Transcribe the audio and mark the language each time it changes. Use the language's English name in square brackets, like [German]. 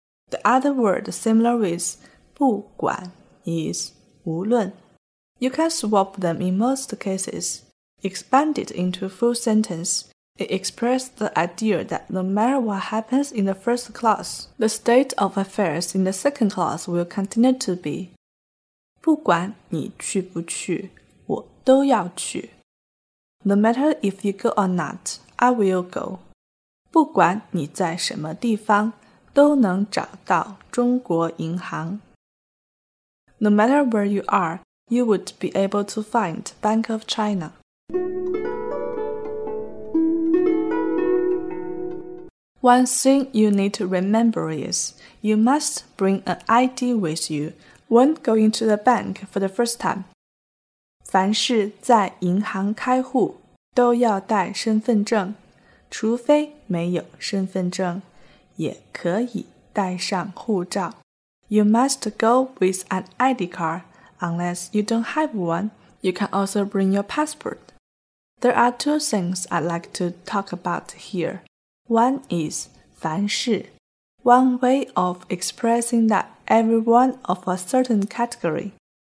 [English] The other word similar with 不管 is 无论. You can swap them in most cases. Expand it into a full sentence. It expresses the idea that no matter what happens in the first class, the state of affairs in the second class will continue to be. [Chinese] 不管你去不去,我都要去。 [English] No matter if you go or not, I will go. [Chinese] 不管你在什么地方,都能找到中国银行。 [English] No matter where you are, you would be able to find Bank of China. One thing you need to remember is, you must bring an ID with you when going to the bank for the first time. [Chinese] 凡是在银行开户,都要带身份证，除非没有身份证，也可以带上护照。 [English] You must go with an ID card, unless you don't have one. You can also bring your passport. There are two things I'd like to talk about here. One is [Chinese] 凡事. [English] One way of expressing that everyone of a certain category.